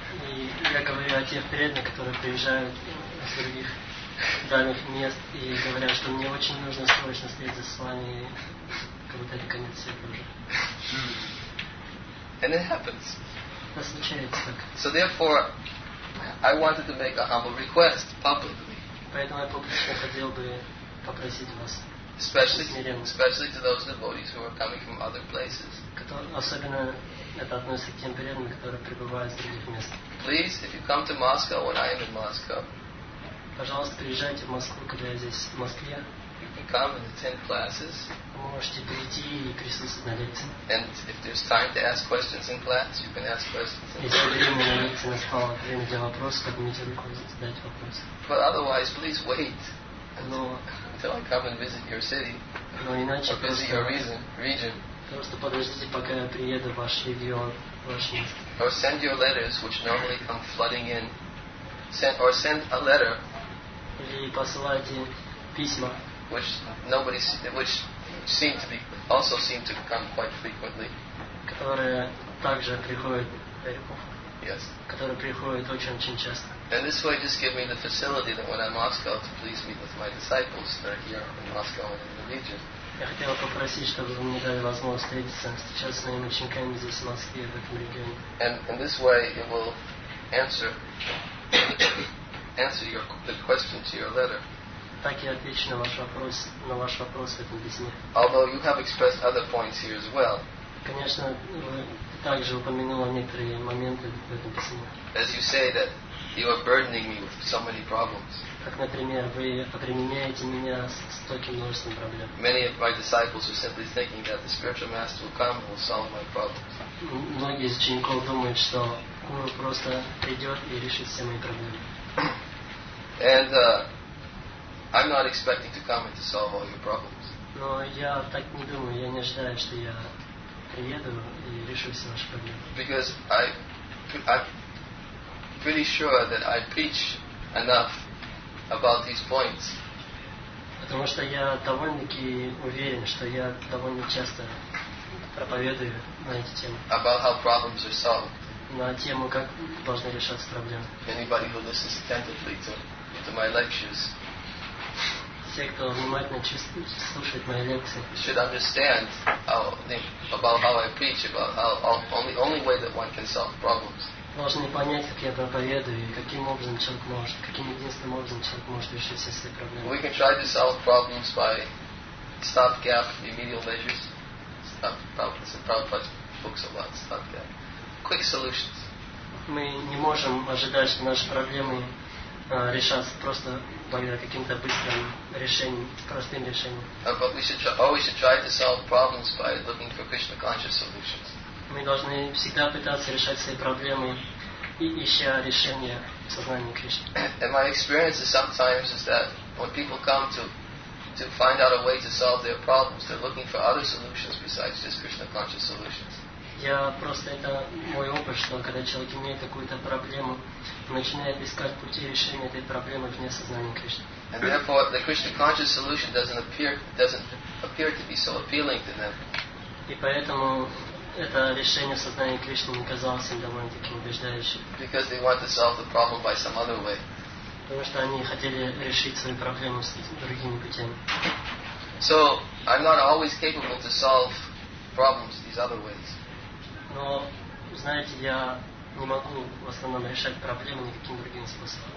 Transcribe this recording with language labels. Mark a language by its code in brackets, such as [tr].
[ru] И я говорю о тех преданных, которые приезжают из других дальних мест и говорят, что мне очень нужно срочно встретиться с вами, как будто это конец света уже. [en] And it happens. [ru] Это случается так. [en] So therefore, I wanted to make a humble request publicly. [ru] Поэтому я публично хотел бы попросить вас. [en] Especially to those devotees who are coming from other places. [ru] Особенно это относится к тем преданным, которые прибывают из других мест. [en] Please, if you come to Moscow when I am in Moscow. [ru] Пожалуйста, приезжайте в Москву, когда я здесь в Москве. [en] You can come and attend classes. [ru] Вы можете прийти и присутствовать на лекции. [en] And if there's time to ask questions in class, you can ask questions. [ru] Если время на лекции настало, время для вопросов, поднимите руку и задайте вопрос. [en] But otherwise, please wait. Until I come and visit your city, or visit your region. [ru] Просто подождите, пока я приеду в ваш регион, в ваш место. [en] Or send your letters, which normally come flooding in. Send a letter. [ru] Или посылайте письма. [en] Which seem to come quite frequently. [ru] Которые также приходят далеко. [en] Yes. [ru] Которые приходят очень-очень часто. [en] And this way just give me the facility that when I'm in Moscow to please meet with my disciples that are here in Moscow and in the region. [ru] Я хотел попросить, чтобы вы мне дали возможность встретиться сейчас с моими учениками здесь в Москве, в этом регионе. [en] And in this way it will answer the question to your letter. [ru] Так я отвечу на ваш вопрос в этом письме. [en] Although you have expressed other points here as well. [ru] Конечно, вы также упомянули некоторые моменты в этом письме. [en] As you say that you are burdening me with so many problems. [ru] Как, например, вы обременяете меня с таким множеством проблем. [en] Many of my disciples are simply thinking that the spiritual master will come and will solve my problems. [ru] Многие из учеников думают, что гуру просто придет и решит все мои проблемы. [en] And I'm not expecting to come and to solve all your problems. [ru] Но я так не думаю. Я не ожидаю, что я приеду и решу все ваши проблемы. [en] Because I'm pretty sure that I preach enough about these points. [ru] Потому что я довольно-таки уверен, что я довольно часто проповедую на эти темы. [en] About how problems are solved. [ru] На тему, как должны решаться проблемы. [en] Anybody who listens attentively to my lectures. [ru] Все, кто внимательно слушает мои лекции, [en] should understand about how I preach, about how only way that one can solve problems. [ru] Должны понять, как я проповедую, каким единственным образом человек может решить все свои проблемы. [en] We can try to solve problems by stopgap remedial measures. Stopgap. Quick solutions. [ru] Мы не можем ожидать, что наши проблемы решаться просто благодаря каким-то быстрым решениям, простым решениям. [en] But we should try to solve problems by looking for Krishna conscious solutions. [ru] Мы должны всегда пытаться решать свои проблемы, ища решения в сознании Кришны. [en] And my experience is sometimes is that when people come to find out a way to solve their problems, they're looking for other solutions besides just Krishna conscious solutions. [ru] Я просто, это мой опыт, что когда человек имеет какую-то проблему, начинает искать пути решения этой проблемы вне сознания Кришны. [en] And therefore, the Krishna conscious solution doesn't appear to be so appealing to them. [ru] И поэтому это решение сознания Кришны не казалось им довольно-таки убеждающим. [en] Because they want to solve the problem by some other way. [ru] Потому что они хотели решить свою проблему с другими путями. [en] So, I'm not always capable to solve problems these other ways. [ru] Но, знаете, я не могу в основном решать проблемы никаким другим способом.